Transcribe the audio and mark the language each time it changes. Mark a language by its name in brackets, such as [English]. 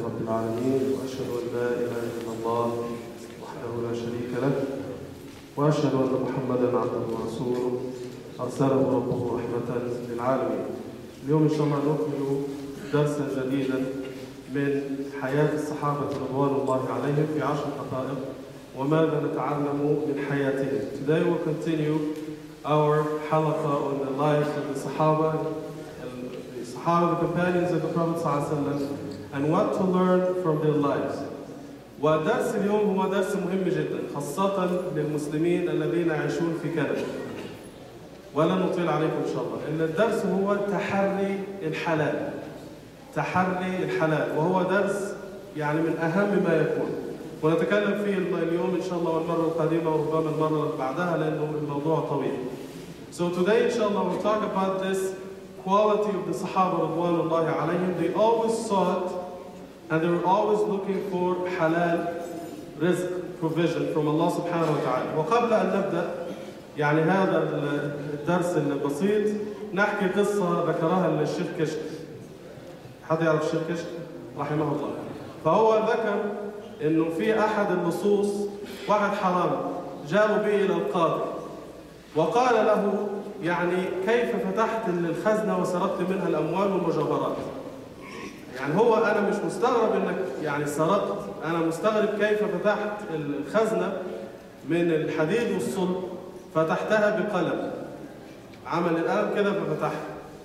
[Arabic] العالمين، وأشهد أن لا إله إلا الله وحده لا شريك له، وأشهد أن محمدا عبده ورسوله أرسله ربه رحمة للعالمين. اليوم إن شاء الله نكمل درسا جديدا من حياة الصحابة رضوان الله عليهم في 10 حقائق وماذا نتعلم من حياتهم. [English] Today we'll continue our halakha on the life of the Sahaba, the Sahaba, the companions of the Prophet صلى الله عليه وسلم, and what to learn from their lives. [Arabic] ودرس اليوم هو درس مهم جدا خاصة للمسلمين الذين يعيشون في كندا. ولا نطيل عليكم إن شاء الله. إن الدرس هو تحري الحلال. تحري الحلال وهو درس يعني من أهم ما يكون. ونتكلم فيه اليوم إن شاء الله والمرة القادمة وربما المرة بعدها لأنه الموضوع طويل. [English] So today إن شاء الله we'll talk about this quality of the Sahaba رضوان الله عليهم. They always sought and they were always looking for halal rizq provision from Allah subhanahu wa ta'ala. [Arabic] وقبل أن نبدأ يعني هذا الدرس البسيط نحكي قصة ذكرها الشيخ كشك. حد يعرف الشيخ كشك؟ رحمه الله. فهو ذكر إنه في أحد النصوص واحد حرام جاءوا به إلى القاضي وقال له يعني كيف فتحت الخزنة وسرقت منها الأموال والمجوهرات؟ يعني هو أنا مش مستغرب إنك يعني سرقت، أنا مستغرب كيف فتحت الخزنة من الحديد والصلب فتحتها بقلم، عمل الآن كذا ففتحها.